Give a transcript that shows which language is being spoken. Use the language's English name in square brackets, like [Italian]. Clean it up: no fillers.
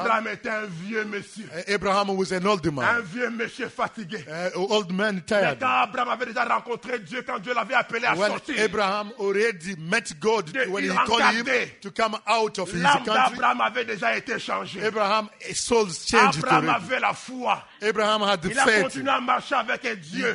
[French] Abraham était un vieux monsieur. [English] Abraham was an old man. [French] Un vieux monsieur fatigué. [English] Old man tired. [French] Mais quand Abraham avait déjà rencontré Dieu, quand Dieu l'avait appelé à [English] when [French] sortir. [English] Abraham already met God [French] de, [English] when he called him to come out of his country. [French] L'âme d'Abraham avait déjà été changée. [English] Abraham soul changed. [French] Abraham avait la foi. [English] Abraham had the [French] il [English] faith. [French] Il a continué à marcher avec Dieu.